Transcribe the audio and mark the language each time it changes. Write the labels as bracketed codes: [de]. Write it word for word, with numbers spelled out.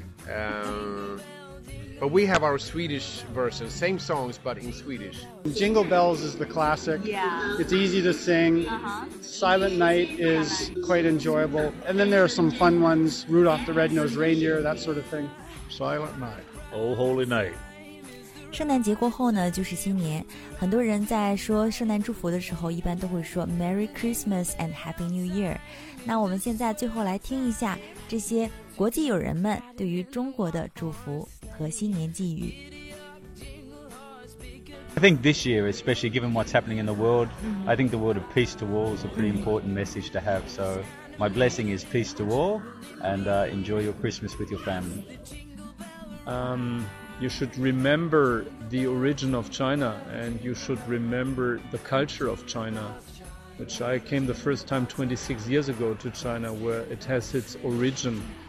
[en] Um, but we have our Swedish version, same songs but in Swedish. Jingle Bells is the classic. Yeah. It's easy to sing. Uh-huh. Silent Night is quite enjoyable. And then there are some fun ones, Rudolph the Red-Nosed Reindeer, that sort of thing. Silent Night. Oh, Holy Night. [zh] 圣诞节过后呢，就是新年。很多人在说圣诞祝福的时候，一般都会说 [en] Merry Christmas and Happy New Year。 [zh] 那我们现在最后来听一下这些国际友人们对于中国的祝福和新年寄语。 [en] I think this year, especially given what's happening in the world, I think the word of peace to all is a pretty important message to have. So my blessing is peace to all, and uh, enjoy your Christmas with your family. Um... You should remember the origin of China, and you should remember the culture of China, which I came the first time twenty-six years ago to China, where it has its origin.